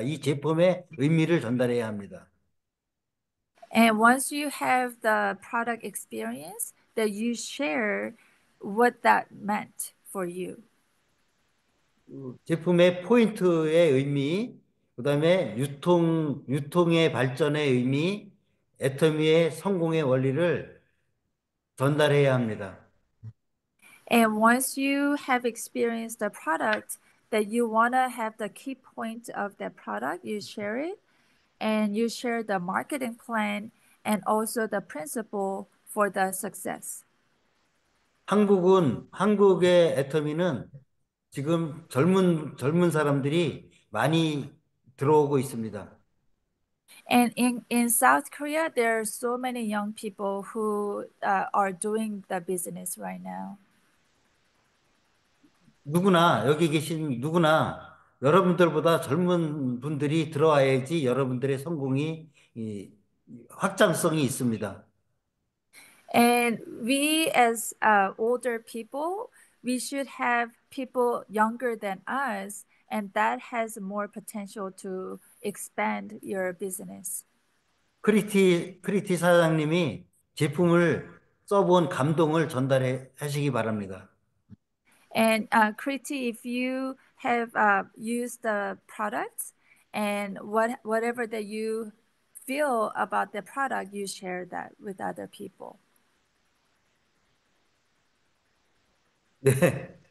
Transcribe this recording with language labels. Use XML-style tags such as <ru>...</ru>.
<ko>이 제품의 의미를 전달해야 합니다.</ko> <en>And once you have the product experience, that you share what that meant for you.</en> <ko>제품의 포인트의 의미, 그다음에 유통의 발전의 의미, 애터미의 성공의 원리를 전달해야 합니다.</ko> <en>And once you have experienced the product, that you want to have the key point of that product, you share it, and you share the marketing plan and also the principle for the success.</en> <ko>한국의 애터미는 지금 젊은 사람들이 많이 들어오고 있습니다.</ko> <en>And in South Korea, there are so many young people who are doing the business right now.</en> <ko>누구나 여기 계신 누구나 여러분들보다 젊은 분들이 들어와야지 여러분들의 성공이 확장성이 있습니다.</ko> <en>And we as older people, we should have people younger than us, and that has more potential to expand your business.</en> <ko>크리티 사장님이 제품을 써본 감동을 전달해 하시기 바랍니다.</ko> <en>And Kriti, if you have used the products and whatever that you feel about the product, you share that with other people.</en> <ko>네.</ko>